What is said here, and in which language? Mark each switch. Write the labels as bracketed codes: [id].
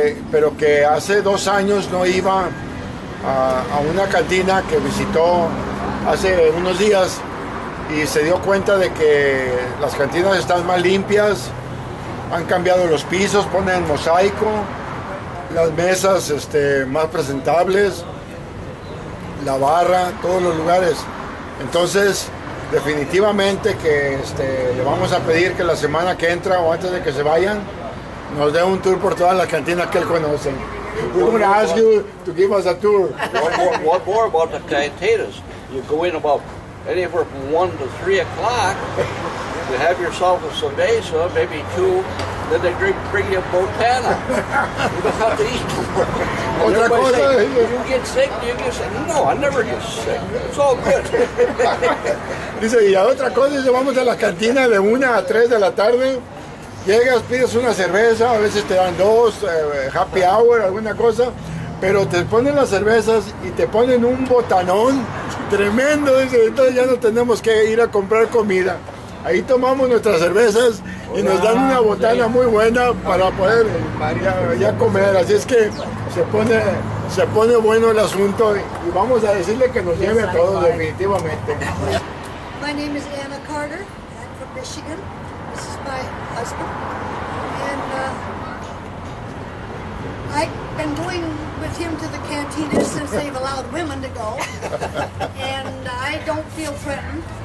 [es] Pero que hace 2 años no iba a una cantina que visitó hace unos días y se dio cuenta de que las cantinas están más limpias, han cambiado los pisos, ponen mosaico, las mesas más presentables, la barra, todos los lugares. Entonces definitivamente que le vamos a pedir que la semana que entra o antes de que se vayan nos dé un tour por todas las cantinas que él conoce. [en] We're going to ask you to give us a tour. What more about the cantinas? You go in about anywhere from 1 to 3 o'clock, you have yourself a cerveza, maybe 2, then they bring you a botana. You don't have to eat tomorrow. [es] Otra cosa. [en] Say, you get sick? No, I never get sick. It's all good. [es] Dice, y a otra cosa, dice, vamos a la cantina de 1 a 3 de la tarde. Llegas, pides una cerveza, a veces te dan dos, happy hour, alguna cosa, pero te ponen las cervezas y te ponen un botanón tremendo, dice, entonces ya no tenemos que ir a comprar comida. Ahí tomamos nuestras cervezas y nos dan una botana muy buena para poder ya comer. Así es que se pone bueno el asunto y vamos a decirle que nos lleve a todos definitivamente. [en] My name is Anna Carter, I'm from Michigan. This is my husband, and I've been going with him to the cantinas since they've allowed women to go, and I don't feel threatened.